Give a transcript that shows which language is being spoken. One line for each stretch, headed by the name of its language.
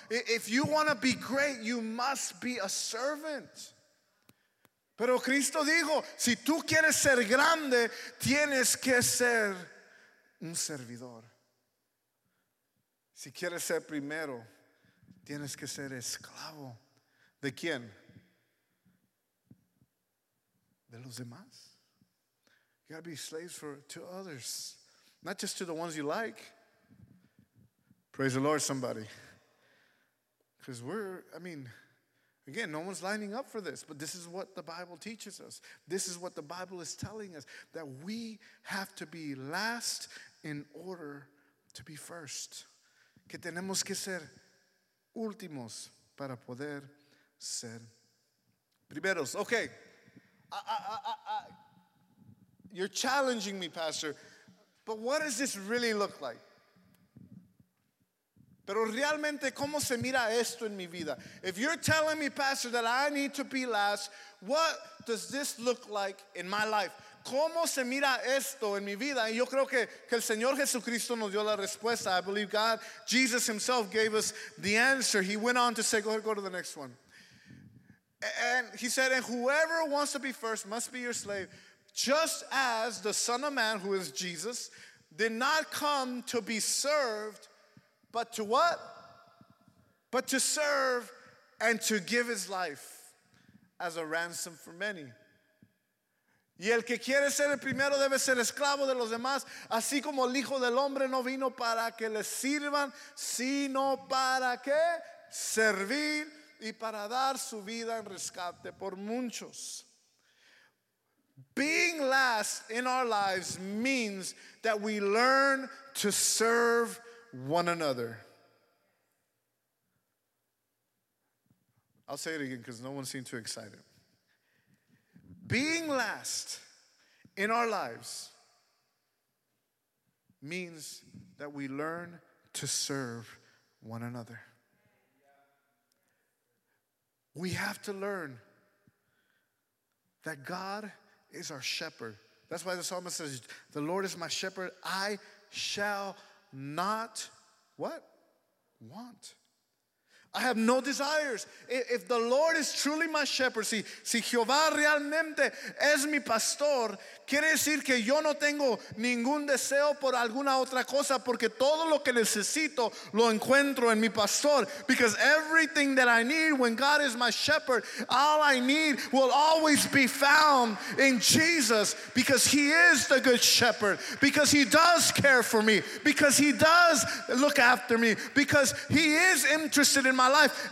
English: If you want to be great, you must be a servant.
Spanish: Pero Cristo dijo, si tú quieres ser grande, tienes que ser un servidor. Si quieres ser primero, tienes que ser esclavo. ¿De quién? De los demás.
English: You got to be slaves to others, not just to the ones you like. Praise the Lord, somebody. Because again, no one's lining up for this, but this is what the Bible teaches us. This is what the Bible is telling us, that we have to be last in order to be first.
Spanish: Que tenemos que ser últimos para poder ser primeros.
English: Okay, you're challenging me, Pastor, but what does this really look like?
Spanish: Pero realmente, ¿cómo se mira esto en mi vida?
English: If you're telling me, Pastor, that I need to be last, what does this look like in my life?
Spanish: ¿Cómo se mira esto en mi vida? Y yo creo que el Señor Jesucristo nos dio la respuesta.
English: I believe God, Jesus Himself, gave us the answer. He went on to say, go to the next one. And He said, "And whoever wants to be first must be your slave, just as the Son of Man," who is Jesus, "did not come to be served, but to" what? "But to serve and to give His life as a ransom for many."
Spanish: Y el que quiere ser el primero debe ser esclavo de los demás, así como el Hijo del Hombre no vino para que le sirvan, sino para que servir y para dar su vida en rescate por muchos.
English: Being last in our lives means that we learn to serve one another. I'll say it again because no one seemed too excited. Being last in our lives means that we learn to serve one another. We have to learn that God is our shepherd. That's why the psalmist says, the Lord is my shepherd, I shall not, what? Want. I have no desires. If the Lord is truly my shepherd,
Spanish: si Jehová realmente es mi pastor, quiere decir que yo no tengo ningún deseo por alguna otra cosa, porque todo lo que necesito lo encuentro en mi pastor.
English: Because everything that I need when God is my shepherd, all I need will always be found in Jesus, because he is the good shepherd, because he does care for me, because he does look after me, because he is interested in my life.